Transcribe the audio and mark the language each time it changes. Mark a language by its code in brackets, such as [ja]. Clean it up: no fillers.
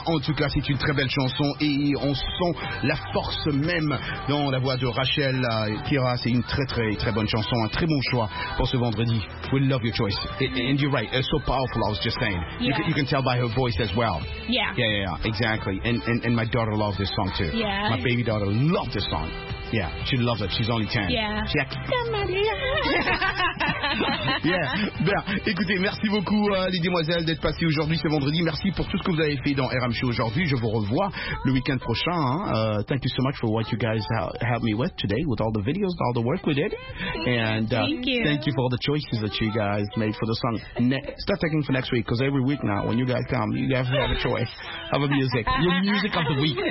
[fr] En tout cas, c'est une très belle chanson et on sent la force même dans la voix de Rachel Kira. C'est une très très très bonne chanson, un très bon choix pour ce vendredi. [en] We love your choice. And you're right, it's so powerful. I was just saying. Yeah. You can tell by her voice as well. Yeah. Yeah, yeah, yeah, exactly. And my daughter loves this song too. Yeah. My baby daughter loves this song. Yeah, she loves it. She's only 10. Yeah. She's like, come on, yeah. Yeah. [fr] Bien. Écoutez, merci beaucoup, les demoiselles, d'être passées aujourd'hui, ce vendredi. Merci pour tout ce que vous avez fait dans RMC aujourd'hui. Je vous revois le week-end prochain. Hein. [en] Thank you so much for what you guys helped me with today, with all the videos, all the work we did. And thank you for all the choices that you guys made for the song. Start taking for next week, because every week now, when you guys come, you guys have a choice of a music. Your music of the week.